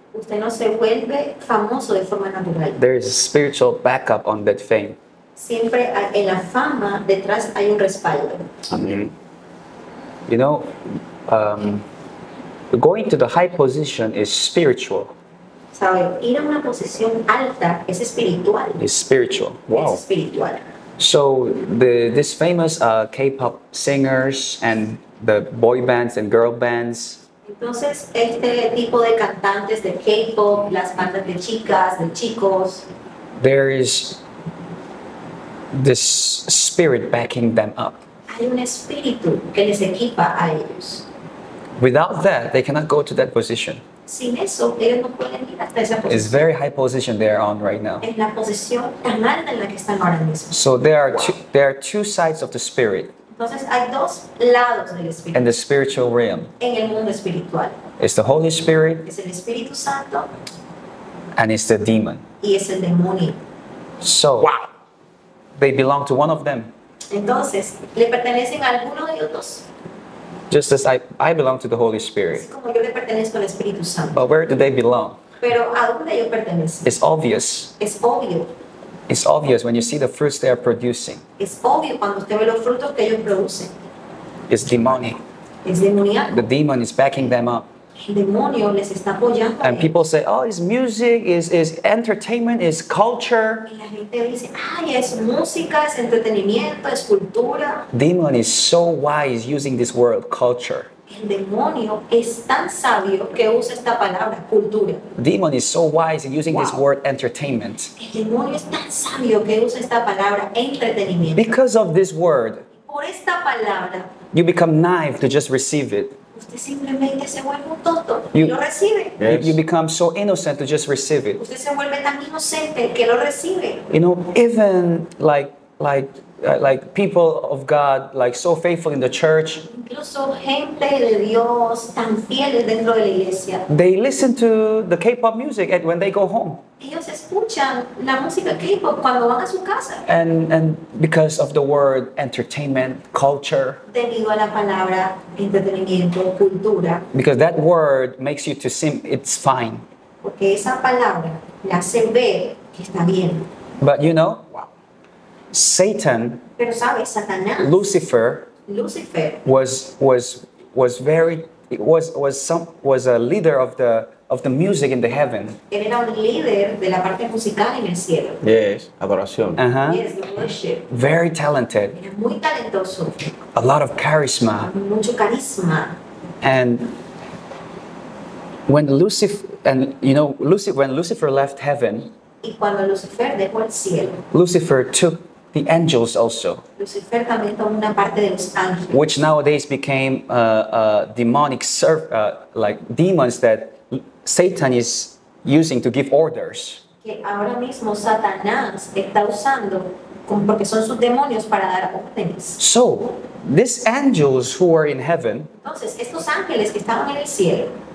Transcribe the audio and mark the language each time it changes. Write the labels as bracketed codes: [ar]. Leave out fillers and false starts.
[es] Usted no se vuelve famoso de forma natural. [en] There is a spiritual backup on that fame. [es] Siempre en la fama detrás hay un respaldo. [en] You know, going to the high position is spiritual. [es] ¿Sabe? Ir a una posición alta es espiritual. [en] It's spiritual. Wow. [es] Es espiritual. [en] So these famous K-pop singers and the boy bands and girl bands. [es] Entonces este tipo de cantantes de K-pop, las bandas de chicas, de chicos. [en] There is this spirit backing them up. [es] Hay un espíritu que les equipa a ellos. [en] Without that, they cannot go to that position. [es] Sin eso, ellos no pueden ir hasta esa posición. [en] It's very high position they are on right now. [es] En la posición tan alta en la que están ahora mismo. [en] So there are two sides of the spirit. [es] Entonces hay dos lados del espíritu. [en] And the spiritual realm. [es] En el mundo espiritual. [en] It's the Holy Spirit. [es] Es el Espíritu Santo. [en] And it's the demon. [es] Y es el demonio. [en] So wow. They belong to one of them. [es] Entonces, ¿le pertenecen a alguno de ellos dos? [en] Just as I belong to the Holy Spirit. [es] Así como yo le pertenezco al Espíritu Santo. [en] But where do they belong? [es] Pero ¿a dónde ellos pertenecen? [en] It's obvious. [es] Es obvio. [en] It's obvious when you see the fruits they are producing. [es] Es obvio cuando usted ve los frutos que ellos producen. [en] It's demonic. [es] Es demoníaco. [en] The demon is backing them up. [es] El demonio les está apoyando. [en] And people say, oh, it's music, it's entertainment, it's culture. [es] Y la gente dice, ay, es música, es entretenimiento, es cultura. [en] Demon is so wise using this word, culture. [es] El demonio es tan sabio que usa esta palabra, cultura. [en] Demon is so wise in using this word, entertainment. [es] El demonio es tan sabio que usa esta palabra, entretenimiento. [en] Because of this word, [es] por esta palabra, [en] you become naive to just receive it. [es] Usted simplemente se vuelve un tonto y lo recibe. [en] You become so innocent to just receive it. [es] Usted se vuelve tan inocente que lo recibe. [en] You know, even like people of God, like so faithful in the church. [es] Incluso gente de Dios tan fieles dentro de la iglesia. [en] They listen to the K-pop music when they go home. [es] Ellos escuchan la música K-pop cuando van a su casa. [en] And because of the word entertainment, culture. [es] Debido a la palabra entretenimiento, cultura. [en] Because that word makes you to seem it's fine. [es] Porque esa palabra la hace ver que está bien. [en] But you know, Satan, [es] pero sabe, Satanás, [en] Lucifer was a leader of the music in the heaven. [es] Él era un líder de la parte musical en el cielo. [en] Yes, [es] adoración. Uh-huh. [en] Yes, worship. Very talented. [es] Era muy talentoso. [en] A lot of charisma. [es] Mucho carisma. [en] And when Lucifer left heaven, [es] y cuando Lucifer dejó el cielo, [en] Lucifer took the angels also, [es] Lucifer también tomó una parte de los ángeles, [en] which nowadays became demonic like demons that Satan is using to give orders. [es] Que ahora mismo Satanás está usando como porque son sus demonios para dar órdenes. [en] So, these angels who were in heaven, [es] entonces estos ángeles que estaban en el cielo,